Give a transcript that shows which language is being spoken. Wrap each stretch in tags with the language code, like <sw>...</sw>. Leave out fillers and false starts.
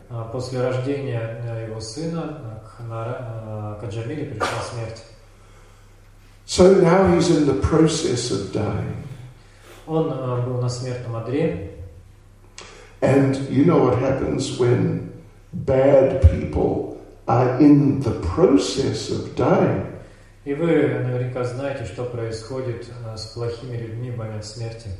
<ru>После рождения его сына, к Джамиле пришла смерть.</ru> <en>So now he's in the process of dying.</en> <ru>Он был на смертном одре.</ru> <en>And you know what happens when bad people are in the process of dying.</en> <ru>И вы наверняка знаете, что происходит с плохими людьми в момент смерти.</ru>